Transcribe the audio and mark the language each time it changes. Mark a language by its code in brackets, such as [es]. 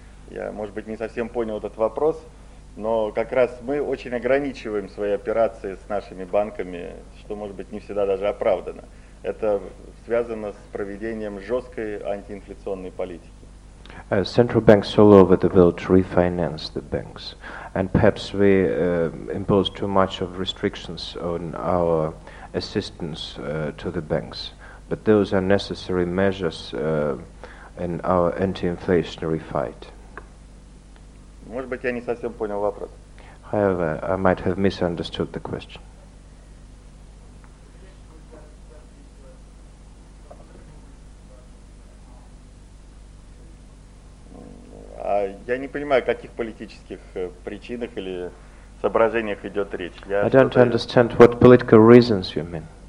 [ru] Я, может быть, не совсем понял этот вопрос, но как раз мы очень ограничиваем свои операции с нашими банками, что, может быть, не всегда даже оправдано. Это связано с проведением жесткой антиинфляционной политики. [en] Central banks all over the world refinance the banks. And perhaps we impose too much of restrictions on our assistance to the banks. But those are necessary measures in our anti-inflationary fight. [ru] Может быть, я не совсем понял вопрос. [en] However, I might have misunderstood the question. [ru] Я не понимаю, о каких политических причинах или соображениях идет речь. [en] I don't understand what political reasons you mean.